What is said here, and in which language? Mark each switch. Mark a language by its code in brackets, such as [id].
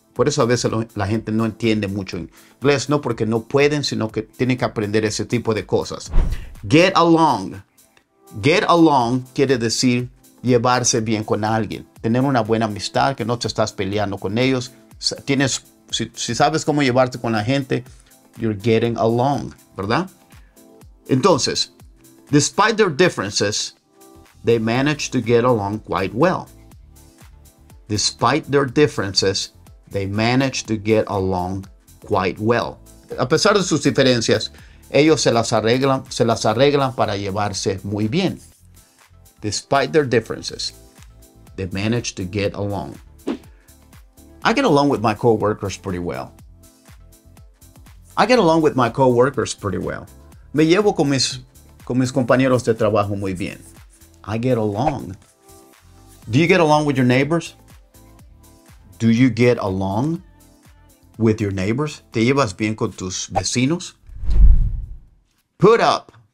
[es] Por eso a veces la gente no entiende mucho inglés. No porque no pueden, sino que tienen que aprender ese tipo de cosas. Get along. Get along quiere decir llevarse bien con alguien. Tener una buena amistad, que no te estás peleando con ellos. Tienes... Si sabes cómo llevarte con la gente, [en] you're getting along, [es] ¿verdad? Entonces, [en] despite their differences, they managed to get along quite well. Despite their differences, they managed to get along quite well. [es] A pesar de sus diferencias, ellos se las arreglan para llevarse muy bien. [en] Despite their differences, they managed to get along. I get along with my coworkers pretty well. I get along with my coworkers pretty well. [es] Me llevo con mis compañeros de trabajo muy bien. [en] I get along. Do you get along with your neighbors? Do you get along with your neighbors? [es] ¿Te llevas bien con tus vecinos? Put up.